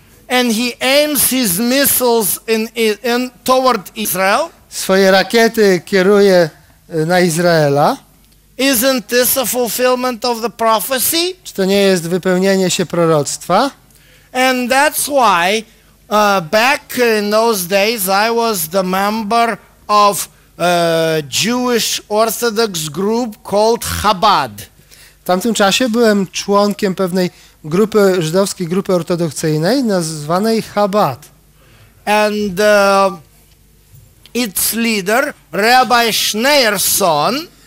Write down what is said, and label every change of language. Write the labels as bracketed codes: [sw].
[en] And he aims his missiles in toward Israel. [pl] Swoje rakiety kieruje na Izraela. [en] Isn't this a fulfillment of the prophecy? [pl] Czy to nie jest wypełnienie się proroctwa? [en] And that's why back in those days I was the member of a Jewish Orthodox group called Chabad. [pl] W tamtym czasie byłem członkiem pewnej grupy żydowskiej grupy ortodoksyjnej nazwanej Chabad. [en] And its leader, Rabbi Schneerson.